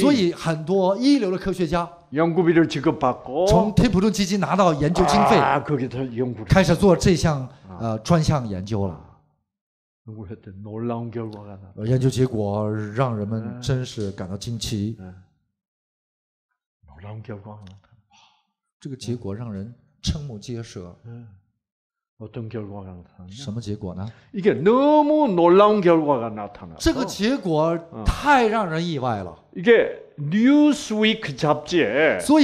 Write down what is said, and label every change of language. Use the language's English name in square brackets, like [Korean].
[Chinese] 所以很多一流的科学家 [Korean] 연구비를 지급받고 [Chinese] 从天普顿基金拿到研究经费， [Korean] 아, 거기서 연구를 [Chinese] 开始做这项专项研究了。 [Korean] 연구했더니 놀라운 결과가 나. 연구 결과 [Chinese] 让人们真是感到惊奇。 [Korean] 놀라운 결과가 나. [Chinese] 这个结果让人瞠目结舌。 [Korean] 어떤 결과가 나타나? [Chinese] 什么结果呢？ [Korean] 이게 너무 놀라운 결과가 나타나. [Chinese] 这个结果太让人意外了。 [Korean] 이게 Newsweek 잡지에.